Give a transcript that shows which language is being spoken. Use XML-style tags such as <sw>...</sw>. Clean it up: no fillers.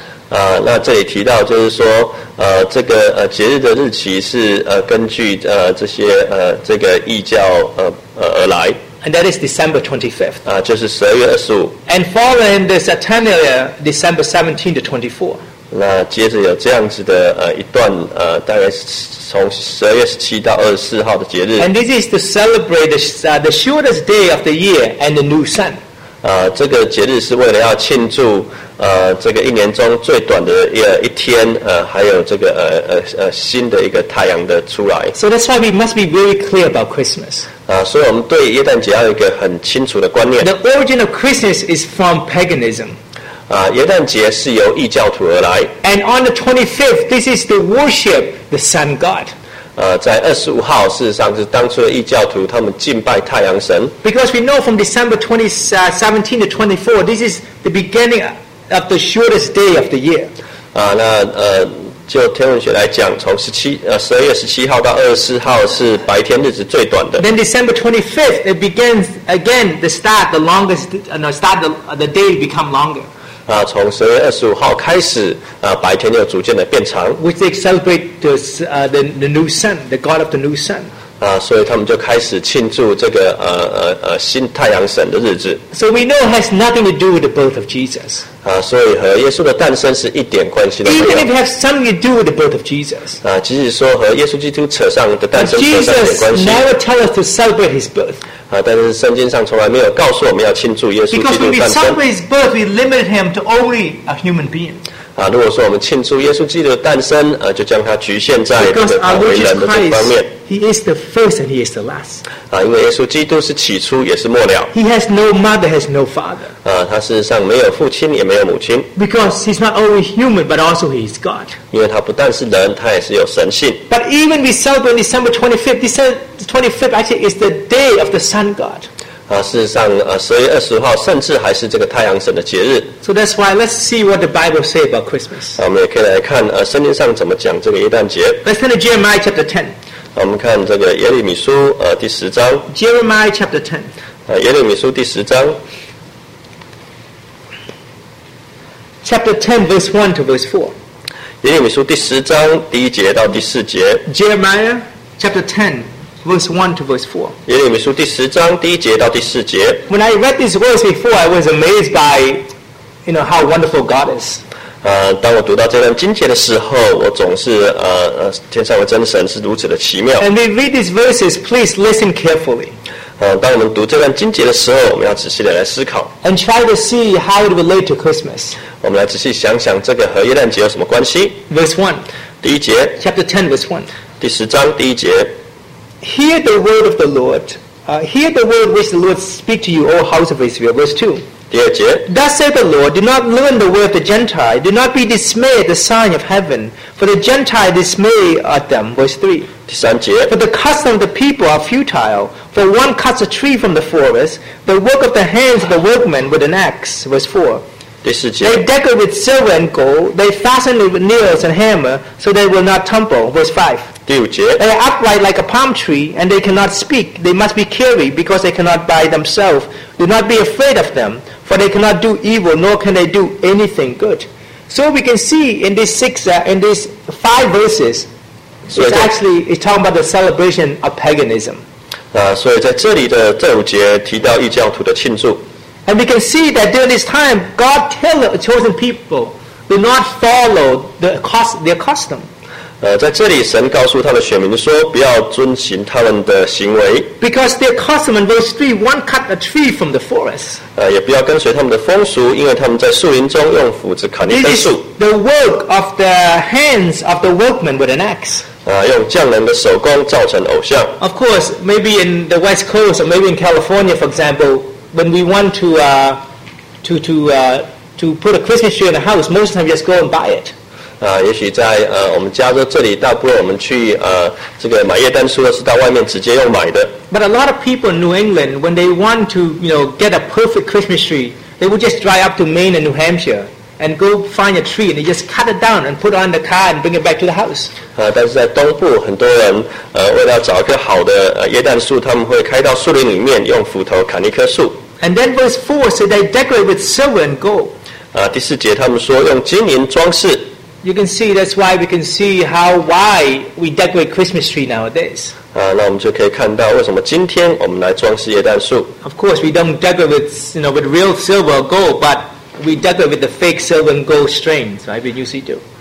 <zh>那这里提到就是说，这个节日的日期是根据这些这个异教而来。</zh> <en>And that is December 25th.</en> <zh>就是十二月二十五。</zh> <en>And following the Saturnalia, December 17 to 24.</en> <zh>那接着有这样子的一段大概从十二月十七到二十四号的节日。</zh> <en>And this is to celebrate the shortest day of the year and the new sun.</en> <zh>这个节日是为了要庆祝这个一年中最短的一天还有这个新的一个太阳的出来。</zh> <en>So that's why we must be very clear about Christmas.</en> <zh>所以我们对耶诞节要有一个很清楚的观念。</zh> <en>The origin of Christmas is from paganism.</en> <zh>耶诞节是由异教徒而来。</zh> <en>And on the 25th, this is to worship the sun god.</en> <zh>在二十五号，事实上是当初的异教徒他们敬拜太阳神。</zh> <en>Because we know from December 17 to 24, this is the beginning of the shortest day of the year.</en> <zh>就天文学来讲，从十二月十七号到二十四号是白天日子最短的。</zh> <en>Then December 25th, it begins again the start, the longest, no, start the day become longer.</en> <zh>从十月二十五号开始，白天又逐渐的变长。</zh> <en>Which they celebrate the new sun, the god of the new sun.</en> <zh>所以他们就开始庆祝这个新太阳神的日子。</zh> <en>So we know it has nothing to do with the birth of Jesus.</en> <zh>所以和耶稣的诞生是一点关系都没有。</zh> <en>Even if it has something to do with the birth of Jesus.</en> <zh>即使说和耶稣基督扯上的诞生扯上一点关系。</zh> <en>Jesus never tells us to celebrate his birth.</en> <zh>但是圣经上从来没有告诉我们要庆祝耶稣基督诞生。</zh> <en>Because when we celebrate his birth, we limit him to only a human being.</en> <zh>如果说我们庆祝耶稣基督的诞生，就将它局限在为人的这方面。</zh> <en>He is the first and he is the last.</en> <zh>因为耶稣基督是起初也是末了。</zh> <en>He has no mother, has no father.</en> <zh>他事实上没有父亲也没有母亲。</zh> <en>Because he's not only human, but also he is God.</en> <zh>因为他不但是人，他也是有神性。</zh> <en>But even we celebrate December 25th, December 25th actually is the day of the sun god.</en> <zh>事实上十月二十号甚至还是这个太阳神的节日。</zh> <en>So that's why let's see what the Bible says about Christmas.</en> <zh>我们也可以来看圣经上怎么讲这个耶诞节。</zh> <en>Let's turn to Jeremiah chapter 10.</en> <zh>我们看这个耶利米书第十章。</zh> <en>Jeremiah chapter 10。</en> <zh>耶利米书第十章。</zh> <en>Chapter 10 verse 1 to verse 4。</en> <zh>耶利米书第十章第一节到第四节。</zh> <en>Jeremiah chapter 10 verse 1 to verse 4。</en> <zh>耶利米书第十章第一节到第四节。</zh> <en>When I read these words before, I was amazed by, you know, how wonderful God is.</en> <zh>当我读到这段经节的时候，我总是天上的真神是如此的奇妙。</zh> <en>And we read these verses, please listen carefully.</en> <zh>当我们读这段经节的时候，我们要仔细的来思考。</zh> <en>And try to see how it relates to Christmas.</en> <zh>我们来仔细想想这个和耶诞节有什么关系。</zh> <en>Verse 1.</en> <zh>第一节。</zh> <en>Chapter 10, verse 1.</en> <zh>第十章第一节。</zh> <en>Hear the word of the Lord. Hear the word which the Lord speak to you, O house of Israel. Verse 2. Thus saith the Lord, do not learn the word of the Gentile, do not be dismayed at the sign of heaven, for the Gentile dismay at them. Verse 3.</en> <zh>第三节。</zh> <en>For the custom of the people are futile, for one cuts a tree from the forest, the work of the hands of the workmen with an axe. Verse 4.</en> <zh>第四节。</zh> <en>They decorate with silver and gold, they fasten it with nails and hammer, so they will not tumble. Verse 5.</en> <zh>第五节。</zh> <en>They are upright like a palm tree, and they cannot speak, they must be carried, because they cannot by themselves. Do not be afraid of them. For they cannot do evil, nor can they do anything good. So we can see in these six, in these five verses, it's talking about the celebration of paganism.</en> <zh>所以在这里的这五节提到异教徒的庆祝。</zh> <en>And we can see that during this time, God tell the chosen people do not follow their custom.</en> <zh>在这里神告诉他的选民说不要遵循他们的行为。</zh> <en>Because their custom in verse 3, one cut a tree from the forest.</en> <zh>也不要跟随他们的风俗，因为他们在树林中用斧子砍一根树。</zh> <en>The work of the hands of the workmen with an axe.</en> <zh>用匠人的手工造成偶像。</zh> <en>Of course, maybe in the West Coast, or maybe in California, for example, when we want to put a Christmas tree in a house, most of the time just go and buy it.</en> <zh>也许在我们加州这里，倒不如我们去这个买耶诞树，是到外面直接用买的。</zh> <en>But a lot of people in New England, when they want to, you know, get a perfect Christmas tree, They would just drive up to Maine and New Hampshire and go find a tree and they just cut it down and put it on the car and bring it back to the house.</en> <zh>但是在东部很多人为了找一棵好的椰蛋树他们会开到树林里面用斧头砍一棵树。</zh> <en>And then verse 4 said they decorate with silver and gold.</en> <zh>第四节他们说用金银装饰。</zh> <en>You can see, that's why we can see how, why we decorate Christmas tree nowadays.</en> <zh>那我们就可以看到为什么今天我们来装饰椰蛋树。</zh> <en>Of course, we don't decorate with, you know, with real silver or gold, but we decorate with the fake silver and gold strings, right? We usually do.</en>